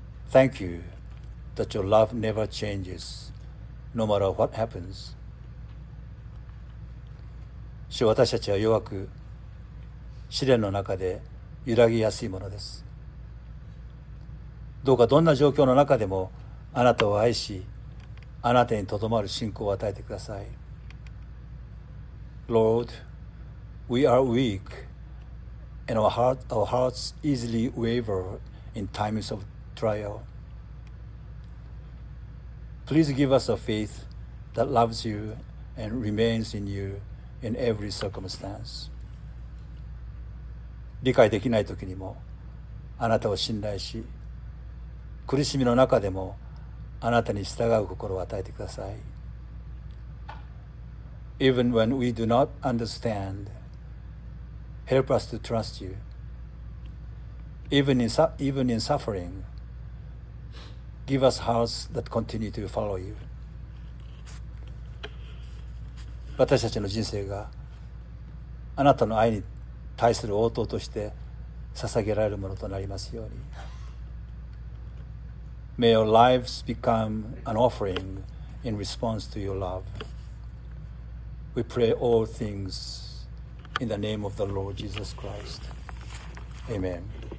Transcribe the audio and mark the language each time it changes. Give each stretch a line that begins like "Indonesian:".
English: Thank you that your love never changes, no matter what happens.
Japanese: 主、私たちは弱く試練の中で揺らぎやすいものです。どうかどんな状況の中でもあなたを愛し、あなたにとどまる信仰を与えてください。
English: Lord, we are weak. And our hearts easily waver in times of trial. Please give us a faith that loves you and remains in you in every circumstance.
Japanese: 理解できない時にもあなたを信頼し、苦しみの中でもあなたに従う心を与えてください。
English: Even when we do not understand, help us to trust you. Even in suffering, give us hearts that continue to follow you.
Japanese: 私たちの人生があなたの愛に対する応答として捧げられるものとなりますように。
English: May your lives become an offering in response to your love. We pray all things in the name of the Lord Jesus Christ. Amen.